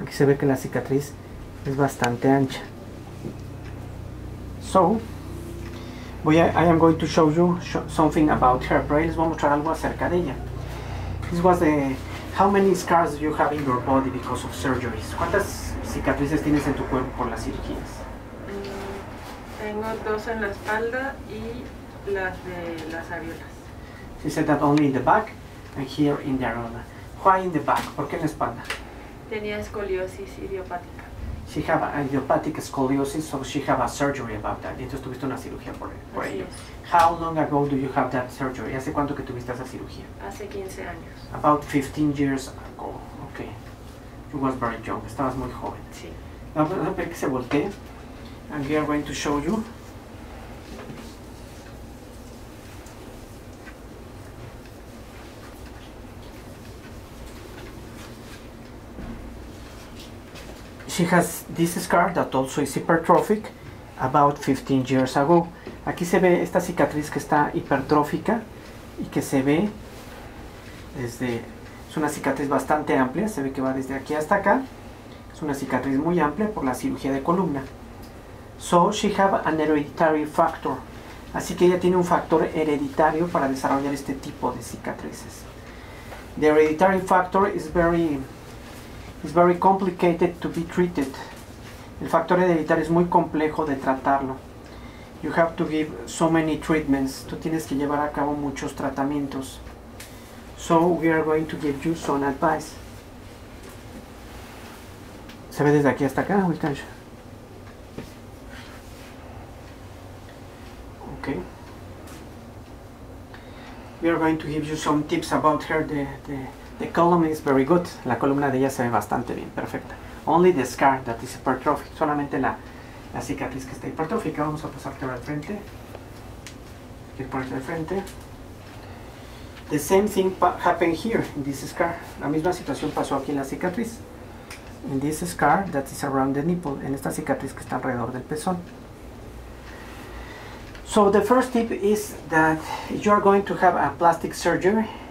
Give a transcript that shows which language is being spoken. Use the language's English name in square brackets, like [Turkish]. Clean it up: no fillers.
[Spanish] Aquí se ve que la cicatriz es bastante ancha. [English] So, I am going to show you something about her. [Spanish] Pero ahí les voy a mostrar algo acerca de ella. [English] This was the... How many scars do you have in your body because of surgeries? [Spanish] ¿Cuántas cicatrices tienes en tu cuerpo por las cirugías? Tengo 2 en la espalda y las de las areolas. [English] She said that only in the back and here in the areola. Why in the back? [Spanish] ¿Por qué en la espalda? Tenía escoliosis idiopática. [English] She had an idiopathic scoliosis, so she had a surgery about that. [Spanish] Entonces tuviste una cirugía por ello. [English] How long ago do you have that surgery? [Spanish] ¿Hace cuánto que tuviste esa cirugía? Hace 15 años. [English] About 15 years ago. Okay. You was very young. [Spanish] Estabas muy joven. Sí. Vamos a ver que se voltee. [English] And we are going to show you. She has this scar that also is hypertrophic about 15 years ago. [Spanish] Aquí se ve esta cicatriz que está hipertrófica y que se ve desde, es una cicatriz bastante amplia, se ve que va desde aquí hasta acá. Es una cicatriz muy amplia por la cirugía de columna. [English] So she have an hereditary factor. [Spanish] Así que ella tiene un factor hereditario para desarrollar este tipo de cicatrices. [English] The hereditary factor is very... It's very complicated to be treated. [Spanish] El factor hereditario es muy complejo de tratarlo. [English] You have to give so many treatments. [Spanish] Tú tienes que llevar a cabo muchos tratamientos. [English] So we are going to give you some advice. [Spanish] ¿Se ve desde aquí hasta acá? [English] We can show. Okay. We are going to give you some tips about her. The column is very good. [Spanish] La columna de ella se ve bastante bien, perfecta. [English] Only the scar that is hypertrophic. [Spanish] Solamente la cicatriz que está hipertrófica. Vamos a pasarte ahora al frente. Aquí ponerte al frente. [English] The same thing happened here in this scar. [Spanish] La misma situación pasó aquí en la cicatriz. [English] In this scar that is around the nipple. [Spanish] En esta cicatriz que está alrededor del pezón. [English] So the first tip is that you are going to have a plastic surgery.